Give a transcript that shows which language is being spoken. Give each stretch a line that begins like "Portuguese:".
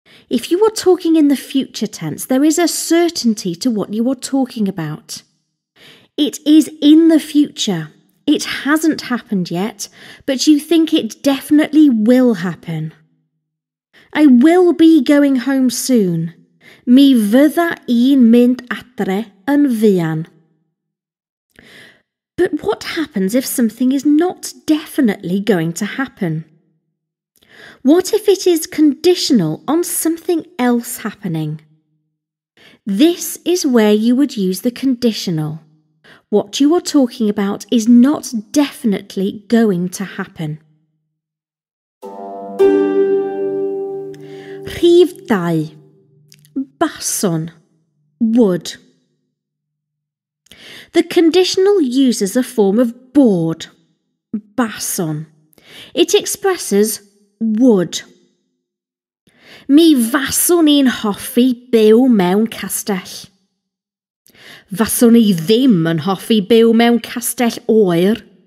English: If you are talking in the future tense, there is a certainty to what you are talking about. It is in the future. It hasn't happened yet, but you think it definitely will happen. I will be going home soon.
Welsh: Mi fydda i'n mynd adre yn fuan.
English: But what happens if something is not definitely going to happen? What if it is conditional on something else happening? This is where you would use the conditional. What you are talking about is not definitely going to happen. Rhif 2. Bason, wood. The conditional uses a form of bod, bason. It expresses wood.
Welsh: Mi faswn i'n hoffi byw mewn castell. Faswn i ddim yn hoffi byw mewn castell oer.